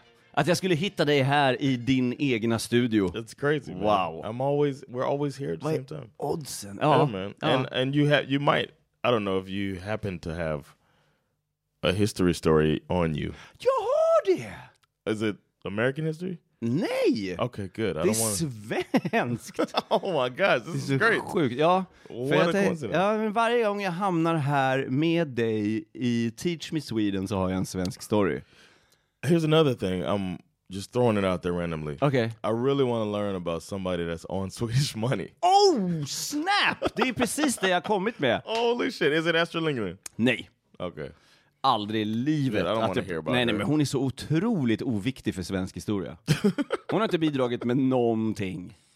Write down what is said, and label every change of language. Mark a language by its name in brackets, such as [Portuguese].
[Swedish] Att jag skulle hitta dig här i din egna studio. [English] That's crazy, man. Wow. We're always here at the same time. [Swedish] Oddsen. [English] Yeah, man. And you might, I don't know if you happen to have a history story on you. [Swedish] Jag har det. [English] Is it American history? [Swedish] Nej. [English] Okay, good. [Swedish] Det är svenskt. [English] Oh my god, this is great. [Swedish] Sjukt. Ja, men varje gång jag hamnar här med dig i Teach Me Sweden så har jag en svensk story. [English] Here's another thing. I'm just throwing it out there randomly. Okay. I really want to learn about somebody that's on Swedish money. Oh, snap. [Swedish] Det är precis det jag kommit med. [English] Holy shit. Is it Astrid Lindgren? [Swedish] Nej. [English] Okay. [Swedish] Aldrig i livet. Yeah, att jag, nej, men hon är så otroligt oviktig för svensk historia. Hon har inte bidragit med någonting.